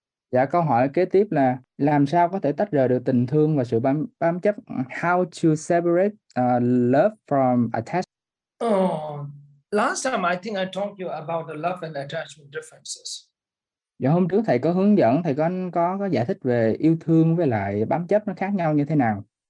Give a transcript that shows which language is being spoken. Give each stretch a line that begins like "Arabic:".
Vietnamese: Dạ, câu hỏi kế tiếp là làm sao có thể tách rời được tình thương và sự bám chấp,
English: how to separate love from attachment. Last time I think I talked to you about the love and attachment differences.
Vietnamese: Dạ, hôm trước thầy có hướng dẫn, thầy có giải thích về yêu thương với lại bám chấp nó khác nhau như thế nào.